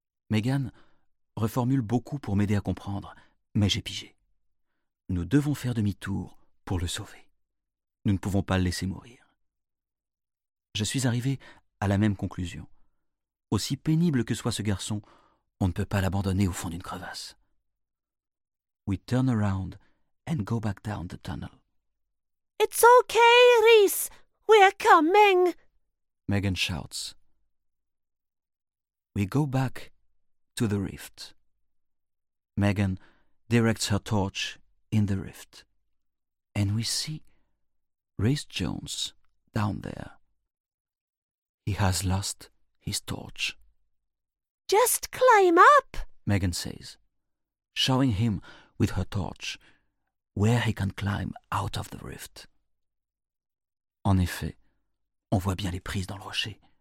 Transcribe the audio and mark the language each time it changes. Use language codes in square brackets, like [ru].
[fr] Megan reformule beaucoup pour m'aider à comprendre, mais j'ai pigé. Nous devons faire demi-tour pour le sauver. Nous ne pouvons pas le laisser mourir. Je suis arrivé à la même conclusion. Aussi pénible que soit ce garçon, on ne peut pas l'abandonner au fond d'une crevasse. [en] We turn around and go back down the tunnel. "It's okay, Rhys. We're coming," Megan shouts. We go back to the rift. Megan directs her torch in the rift, and we see Rhys Jones down there. He has lost his torch. "Just climb up," Megan says, showing him with her torch where he can climb out of the rift. [fr] En effet, on voit bien les prises dans le rocher.